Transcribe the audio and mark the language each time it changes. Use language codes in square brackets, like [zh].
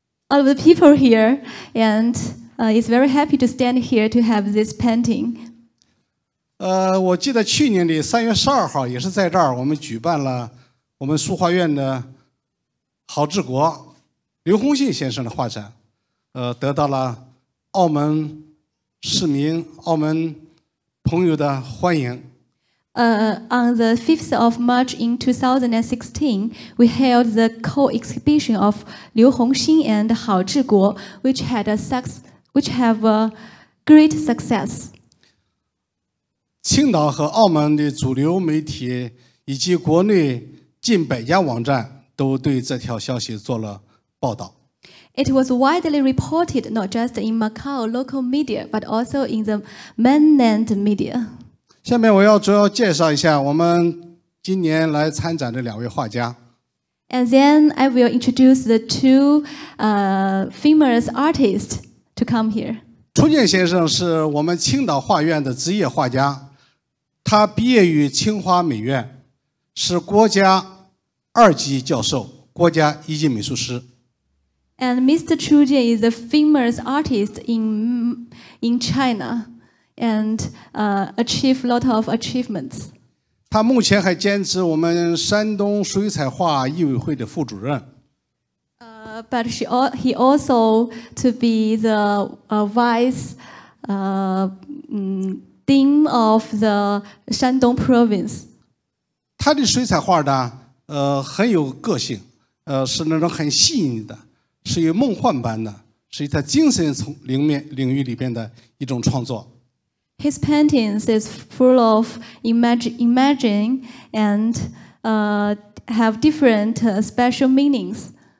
[en] all of the people here, and is very happy to stand here to have this painting. [zh] 我记得去年的3月12号也是在这儿，我们举办了我们书画院的郝志国、刘洪信先生的画展，得到了澳门市民、澳门朋友的欢迎。 [en] On the 5th of March in 2016, we held the co-exhibition of 刘洪信 and 郝志国 which have a great success. [zh] 青岛和澳门的主流媒体以及国内近百家网站都对这条消息做了报道。 [en] It was widely reported not just in Macau local media, but also in the mainland media. [zh] 下面我要主要介绍一下我们今年来参展的两位画家。 [en] And then I will introduce the two famous artists to come here. [zh] 春建先生是我们青岛画院的职业画家。他毕业于清华美院，是国家二级教授，国家一级美术师。 [en] And Mr. Chu Jie is a famous artist in China and achieved a lot of achievements. [zh] 他目前还兼职我们山东水彩画艺委会的副主任。 [en] But he also to be the vice Dean of the Shandong Province. [zh] 他的水彩画呢，很有个性，是那种很细腻的，是有梦幻般的，是他精神从领域里边的一种创作。 [en] His paintings is full of imagining and have different special meanings.